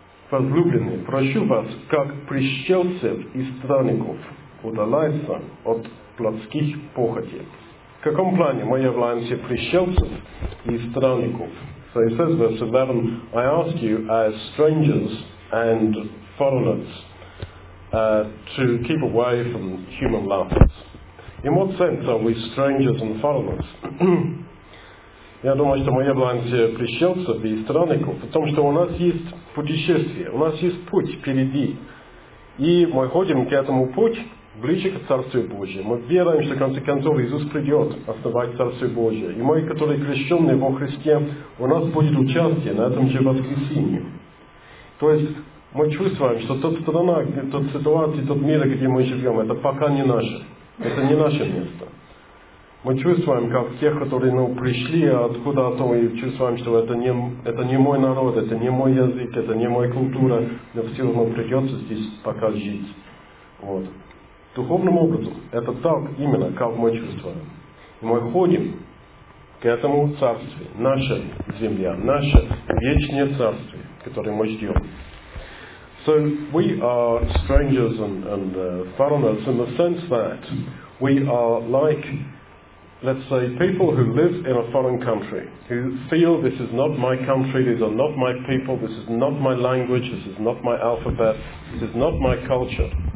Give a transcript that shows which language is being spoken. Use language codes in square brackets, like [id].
[ru] Возлюбленные, прошу вас, как пришельцев и странников, удаляйся от плотских похотей. В каком плане мы являемся пришельцев и странников? [en] So he says, verse 11, I ask you as strangers and foreigners to keep away from human lusts. In what sense are we strangers and foreigners? [ru] Я думаю, что мы являемся пришельцев и странников, потому что у нас есть путешествие, у нас есть путь впереди. И мы ходим к этому путь, ближе к Царству Божьему. Мы верим, что в конце концов Иисус придет основать Царство Божие. И мы, которые крещенные во Христе, у нас будет участие на этом же воскресении. То есть Мы чувствуем, что тот страна, тот ситуация, тот мир, где мы живем, это пока не наше. Это не наше место. Мы чувствуем, как те, которые ну, пришли откуда-то, и чувствуем, что это не мой народ, это не мой язык, это не моя культура, но все равно придется здесь пока жить. Вот. Духовным образом, это так именно, как мы чувствуем. Мы ходим к этому царству, наша земля, наше вечное царство, которое мы ждем. [en] So we are strangers and foreigners in the sense that we are like, let's say, people who live in a foreign country, who feel this is not my country, these are not my people, this is not my language, this is not my alphabet, this is not my culture.